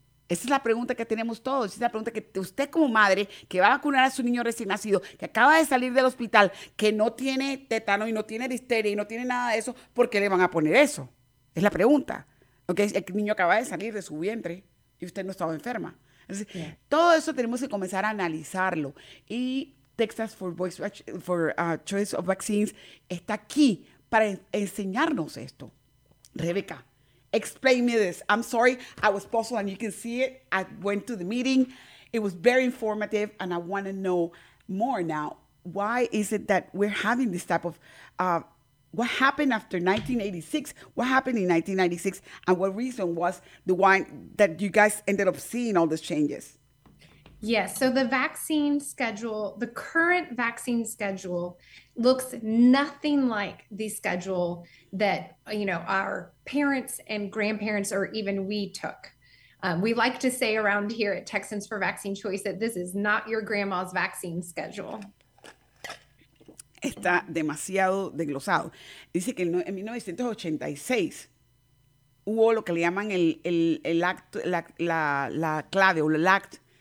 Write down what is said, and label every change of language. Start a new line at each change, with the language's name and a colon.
Spanish: Esa es la pregunta que tenemos todos. Es la pregunta que usted como madre que va a vacunar a su niño recién nacido, que acaba de salir del hospital, que no tiene tétano y no tiene difteria y no tiene nada de eso, ¿por qué le van a poner eso? Es la pregunta. Porque el niño acaba de salir de su vientre y usted no estaba enferma. Entonces, yeah. Todo eso tenemos que comenzar a analizarlo. Y Texas for Choice of Vaccines está aquí para enseñarnos esto.
English: Rebeca, explain me this. I'm sorry, I was puzzled and you can see it. I went to the meeting. It was very informative and I want to know more now. Why is it that we're having this type of, what happened after 1986? What happened in 1996? And what reason was the one that you guys ended up seeing all these changes? Yes, so the vaccine schedule, the current vaccine schedule looks nothing like the schedule that, you know, our parents and grandparents or even we took. We like to say around here at Texans for Vaccine Choice that this is not your grandma's vaccine schedule.
Spanish: Está demasiado desglosado. Dice que en 1986 hubo lo que le llaman el acto, la clave o el acto.